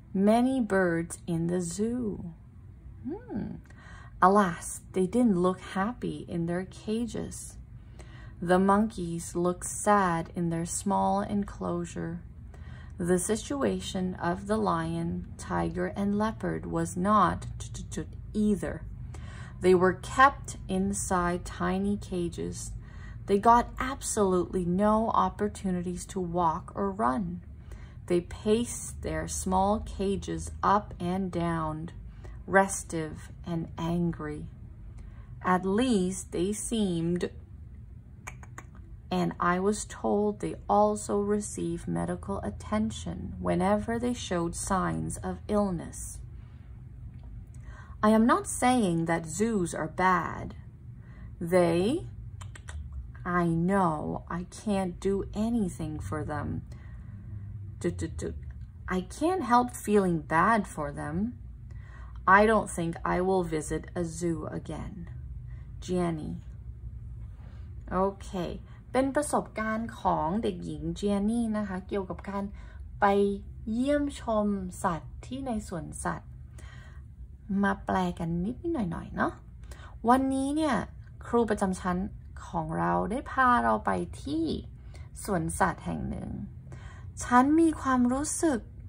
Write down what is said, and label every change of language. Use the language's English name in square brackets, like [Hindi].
[English] many birds in the zoo Alas they didn't look happy in their cages The monkeys looked sad in their small enclosure The situation of the lion tiger and leopard was not either They were kept inside tiny cages. They got absolutely no opportunities to walk or run. They paced their small cages up and down, restive and angry. At least they seemed, and I was told they also received medical attention whenever they showed signs of illness. I am not saying that zoos are bad. They, I know I can't do anything for them. I can't help feeling bad for them. I don't think I will visit a zoo again. Jenny. Okay. [Thai] เป็นประสบการณ์ของเด็กหญิง Jenny นะคะ เกี่ยวกับการไปเยี่ยมชมสัตว์ที่ในสวนสัตว์มาแปลกันนิดหน่อยๆเนาะวันนี้เนี่ยครูประจำชั้นของเราได้พาเราไปที่สวนสัตว์แห่งหนึ่งฉันมีความรู้สึก